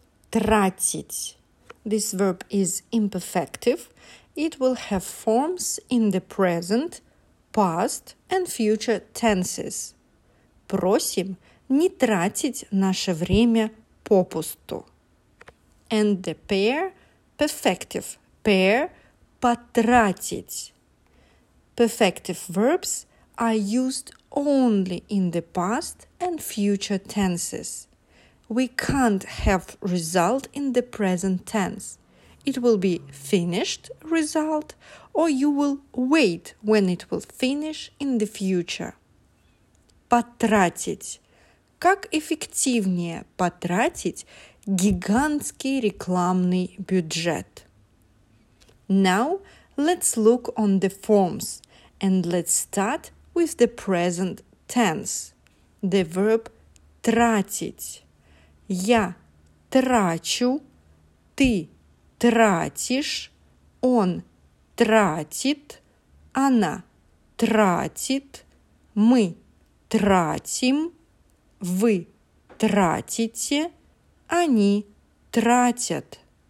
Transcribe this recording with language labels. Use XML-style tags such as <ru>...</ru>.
<en>Тратить. This verb is imperfective. It will have forms in the present, past, and future tenses.</en> <ru>Просим не тратить наше время попусту.</ru> <en>And the pair, perfective, pair, потратить. Perfective verbs are used only in the past and future tenses. We can't have result in the present tense. It will be finished result, or you will wait when it will finish in the future.</en> <ru>Потратить. Как эффективнее потратить гигантский рекламный бюджет?</ru> <en>Now, let's look on the forms and let's start with the present tense. The verb тратить.</en> <ru>Я трачу, ты тратишь, он тратит, она тратит, мы тратим. Вы тратите, они тратят.</ru>